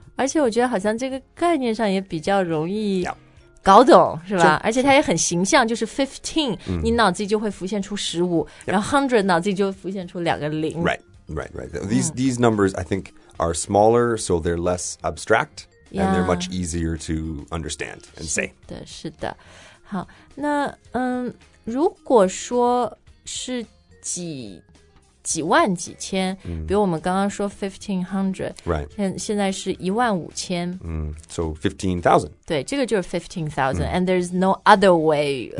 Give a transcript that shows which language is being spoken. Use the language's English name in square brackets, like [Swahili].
[Chinese] 而且我觉得好像这个概念上也比较容易搞懂、 [English] yeah. [Chinese] 是吧 [English] sure. [Chinese] 而且它也很形象就是 15、 mm. 你脑子就会浮现出15、 [English] yep. [Chinese] 然后100脑子就浮现出两个零 [English] Right, right, right. These,、mm. these numbers I think are smaller so they're less abstract、 yeah. and they're much easier to understand and say [Chinese] 是的是的好那、如果说是几几万几千、 mm. 比如我们刚刚说 1500、 [English] right. [Chinese] 现在是一万五千、 [English] mm. So 15,000 [Chinese] 对这个就是 15,000、mm. [English] And there's no other way of、